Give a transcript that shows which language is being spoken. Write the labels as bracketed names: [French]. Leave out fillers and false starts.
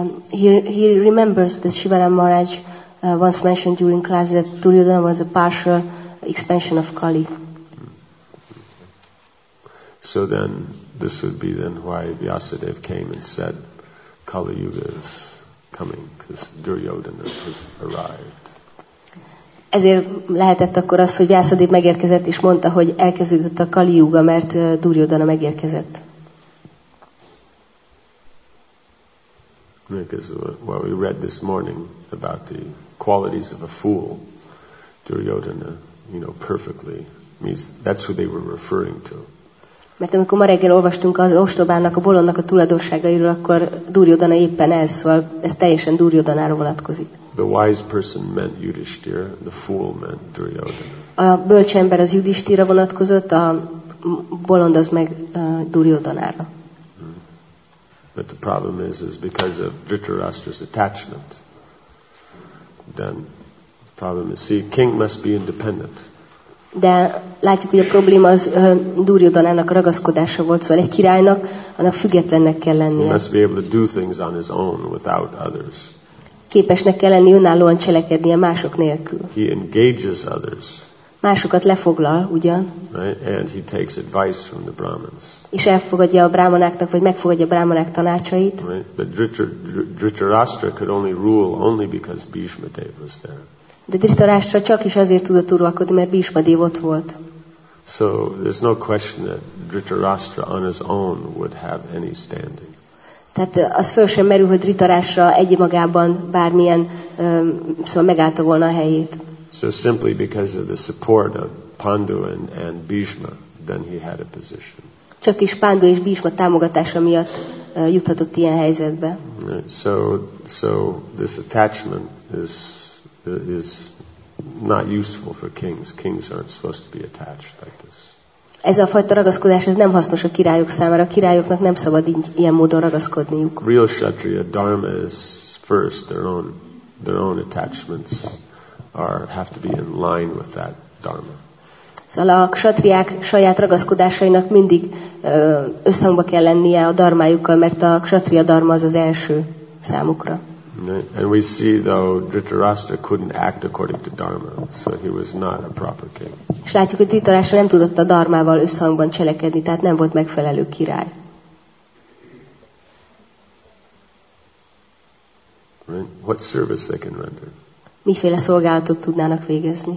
[English] He remembers that Shivaram Maharaj once mentioned during class that Duryodhana was a partial expansion of Kali. So then, this would be then why Vyasadeva came and said, Kali Yuga is coming, because Duryodhana has arrived. [Hungarian] Ezért lehetett akkor az, hogy Vyászadév megérkezett, és mondta, hogy elkezdődött a Kali Yuga, mert Duryodhana megérkezett. [English] Because well, we read this morning about the qualities of a fool, Duryodhana, you know, perfectly means that's who they were referring to. [Hungarian] Mert amikor ma reggel olvastunk az ostobának, a bolondnak a tulajdonságairól, akkor Duryodhana éppen ez, szóval ez teljesen Duryodhanára vonatkozik. [English] The wise person meant Yudhishthir, the fool meant Duryodhana. [Hungarian] A bölcs ember az Yudhishthirra vonatkozott, a bolond az meg Duryodhanára. [English] But the problem is because of Dhritarashtra's attachment, then the problem is, see, king must be independent. [Hungarian] De látjuk, hogy a probléma az Duryodhanának ragaszkodása volt, szóval egy királynak, annak függetlennek kell lennie. [English] He must be able to do things on his own without others. [Hungarian] Képesnek kell lenni önállóan cselekedni a mások nélkül. [English] He engages others. [Hungarian] Másokat lefoglal, ugyan? [English] Right? And he takes advice from the Brahmins. [Hungarian] És elfogadja a brahmanáknak, vagy megfogadja a brahmanák tanácsait. [English] Right? But Dhritarashtra could only rule only because Bhishma Dev was there. [Hungarian] De Dhritarashtra csak is azért tudott uralkodni, mert Bhishma Dev ott volt. [English] So there's no question that Dhritarashtra on his own would have any standing. [Hungarian] Tehát az föl sem merül, hogy Dhritarashtra egyemagában bármilyen szóval megállta volna a helyét. [English] So simply because of the support of Pandu and Bhishma, then he had a position. [Hungarian] Csak is Pandu és Bhishma támogatása miatt juthatott ilyen helyzetbe. [English] So this attachment is not useful for kings. Kings aren't supposed to be attached like this. [Hungarian] Ez a fajta ragaszkodás ez nem hasznos a királyok számára. A királyoknak nem szabad ilyen módon ragaszkodniuk. [English] Real Kshatriya Dharma is first their own attachments. Have to be in line with that dharma. [Hungarian] Szóval a kshatriák saját ragaszkodásainak mindig összhangba kell lennie a dharmájukkal, mert a kshatriya dharma az az első számukra. [English] And we see though Dhritarashtra couldn't act according to dharma, so he was not a proper king. [Hungarian] És látjuk, hogy Dhritarashtra nem tudott a dharmával összhangban cselekedni, tehát nem volt megfelelő király. [English] Right? What service they can render? [Hungarian] Miféle szolgálatot tudnának végezni?